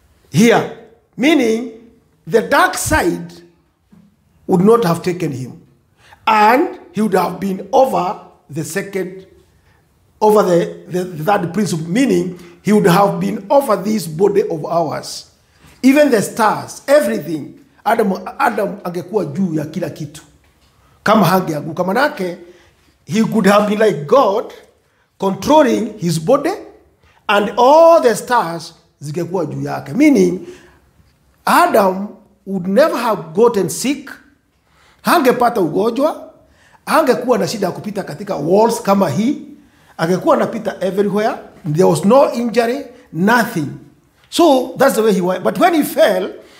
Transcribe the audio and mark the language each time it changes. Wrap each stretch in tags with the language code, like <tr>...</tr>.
<en>Here. Meaning, the dark side would not have taken him. And he would have been over the second, over the third principle. Meaning, he would have been over this body of ours. Even the stars, everything.</en> <sw>Adam angekuwa juu ya kila kitu. Kama hangeanguka, manake,</sw> <en>he could have been like God, controlling his body, and all the stars</en> <sw>zikekuwa juu yake.</sw> <en>Meaning, Adam would never have gotten sick,</en> <sw>hangepata ugonjwa, hangekuwa na shida kupita katika walls kama hii, angekuwa napita</sw> <en>everywhere, there was no injury, nothing. So that's the way he went. But when he fell,</en>